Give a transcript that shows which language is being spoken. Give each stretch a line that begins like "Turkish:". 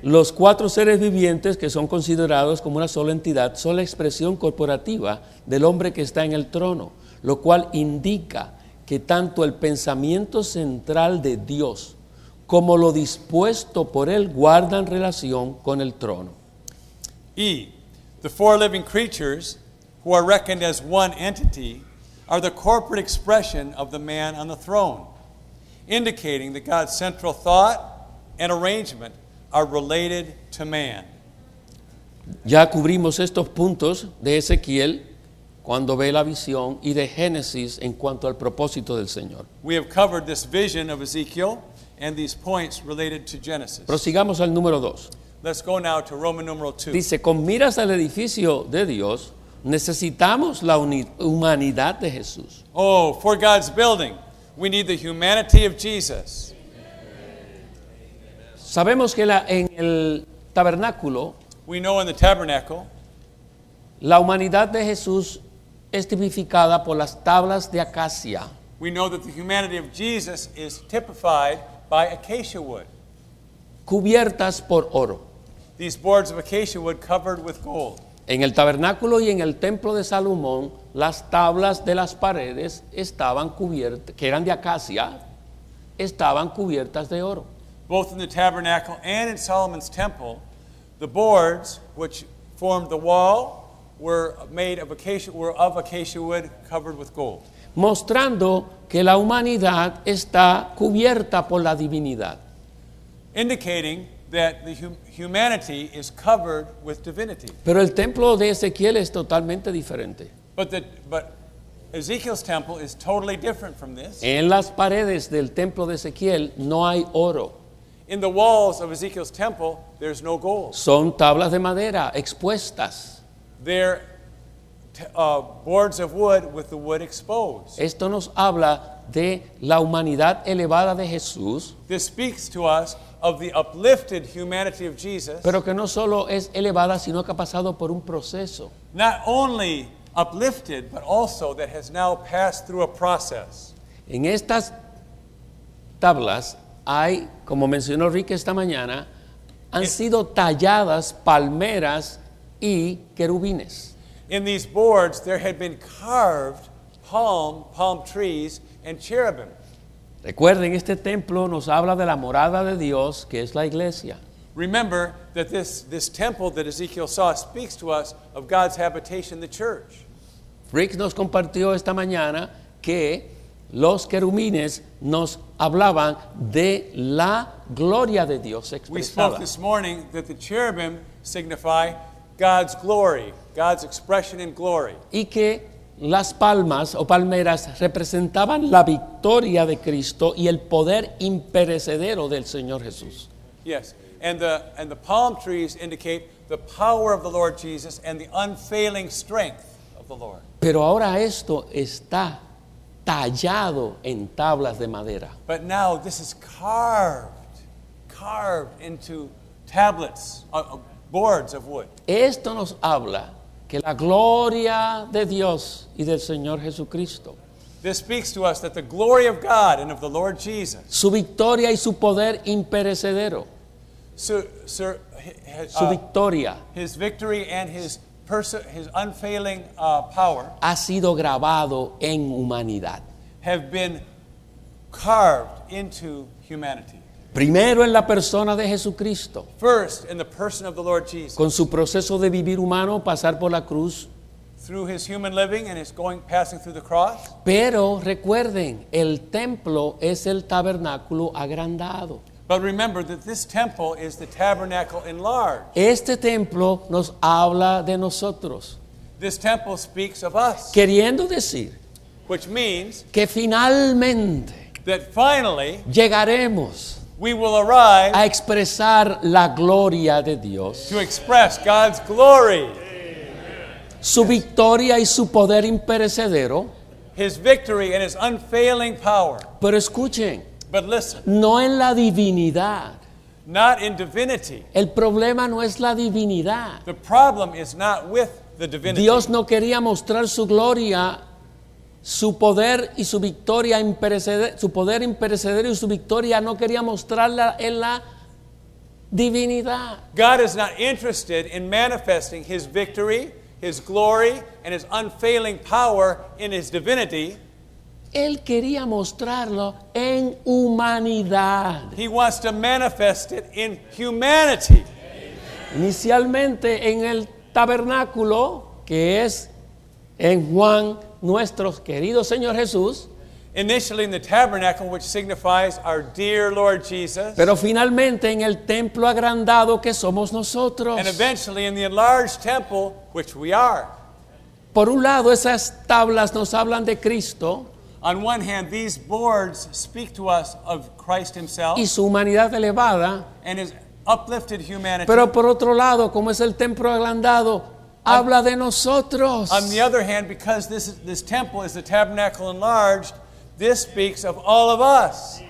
Spanish: Los cuatro seres vivientes que son considerados como una sola entidad son la expresión corporativa del hombre que está en el trono, lo cual indica que tanto el pensamiento central de Dios como lo dispuesto por él guardan relación con el trono. E.
English: The four living creatures who are reckoned as one entity are the corporate expression of the man on the throne, indicating that God's central thought and arrangement are related to man.
Spanish: Ya cubrimos estos puntos de Ezequiel cuando ve la visión y de Génesis en cuanto al propósito del Señor.
English: We have covered this vision of Ezekiel and these points related to Genesis.
Spanish: Prosigamos al número 2.
English: Let's go now to Roman numeral 2.
Spanish: Dice, con miras al edificio de Dios, necesitamos la humanidad de Jesús.
English: Oh, for God's building, we need the humanity of Jesus.
Spanish: Sabemos que en el tabernáculo,
English: we know in the tabernacle,
Spanish: la humanidad de Jesús es tipificada por las tablas de acacia.
English: We know that the humanity of Jesus is typified by acacia wood.
Spanish: Cubiertas por oro.
English: These boards of acacia wood covered with gold.
Spanish: En el tabernáculo y en el templo de Salomón, las tablas de las paredes estaban cubiertas, que eran de acacia, estaban cubiertas de oro.
English: Both in the tabernacle and in Solomon's temple, the boards which formed the wall were of acacia wood covered with gold.
Spanish: Mostrando que la humanidad está cubierta por la divinidad.
English: Indicating that the humanity is covered with divinity.
Spanish: Pero el templo de Ezequiel es totalmente diferente.
English: But Ezekiel's temple is totally different from this.
Spanish: En las paredes del templo de Ezequiel no hay oro.
English: In the walls of Ezekiel's temple, there's no gold.
Spanish: Son tablas de madera expuestas.
English: They're boards of wood with the wood exposed.
Spanish: Esto nos habla de la humanidad elevada de Jesús.
English: This speaks to us of the uplifted humanity of Jesus.
Spanish: Pero que no solo es elevada, sino que ha pasado por un proceso.
English: Not only uplifted, but also that has now passed through a process.
Spanish: En estas tablas hay, como mencionó Rick esta mañana, han sido talladas palmeras y querubines.
English: In these boards, there had been carved palm trees and cherubim.
Spanish: Recuerden, este templo nos habla de la morada de Dios, que es la iglesia.
English: Remember that this temple that Ezekiel saw speaks to us of God's habitation, the church.
Spanish: Rick nos compartió esta mañana que los querubines nos hablaban de la gloria de Dios expresada.
English: We spoke this morning that the cherubim signify God's glory, God's expression in glory.
Spanish: Y que las palmas o palmeras representaban la victoria de Cristo y el poder imperecedero del Señor Jesús.
English: Yes, and the palm trees indicate the power of the Lord Jesus and the unfailing strength of the Lord.
Spanish: Pero ahora esto está tallado en tablas de madera.
English: But now this is carved into tablets, boards of wood.
Spanish: Esto nos habla que la gloria de Dios y del Señor Jesucristo.
English: This speaks to us that the glory of God and of the Lord Jesus.
Spanish: Su victoria y su poder imperecedero. Su victoria.
English: His victory and his unfailing power.
Spanish: Ha sido grabado en humanidad.
English: Have been carved into humanity.
Spanish: Primero en la persona de Jesucristo.
English: First in the person of the Lord Jesus.
Spanish: Con su proceso de vivir humano, pasar por la cruz.
English: Through his human living and his going passing through the cross.
Spanish: Pero recuerden, el templo es el tabernáculo agrandado.
English: But remember that this temple is the tabernacle enlarged.
Spanish: Este templo nos habla de nosotros.
English: This temple speaks of us.
Spanish: Queriendo decir,
English: which means
Spanish: que finalmente,
English: that finally
Spanish: llegaremos,
English: we will arrive,
Spanish: a expresar la gloria de Dios,
English: to express God's glory,
Spanish: su victoria y su poder imperecedero,
English: his victory and his unfailing power.
Spanish: Pero escuchen,
English: but listen,
Spanish: no en la divinidad,
English: not in divinity.
Spanish: El problema no es la divinidad.
English: The problem is not with the divinity.
Spanish: Dios no quería mostrar su gloria, su poder y su victoria imperecedero, su poder imperecedero y su victoria, no quería mostrarla en la divinidad.
English: God is not interested in manifesting his victory, his glory, and his unfailing power in his divinity.
Spanish: Él quería mostrarlo en humanidad.
English: He wants to manifest it in humanity.
Spanish: Inicialmente en el tabernáculo, que es en Juan, nuestro querido Señor Jesús.
English: Initially in the tabernacle, which signifies our dear Lord Jesus.
Spanish: Pero finalmente en el templo agrandado que somos nosotros.
English: And eventually in the enlarged temple, which we are.
Spanish: Por un lado, esas tablas nos hablan de Cristo.
English: On one hand, these boards speak to us of Christ himself.
Spanish: Y su humanidad elevada.
English: And his uplifted humanity.
Spanish: Pero por otro lado, como es el templo agrandado, habla de nosotros.
English: On the other hand, because this temple is the tabernacle enlarged, this speaks of all of us.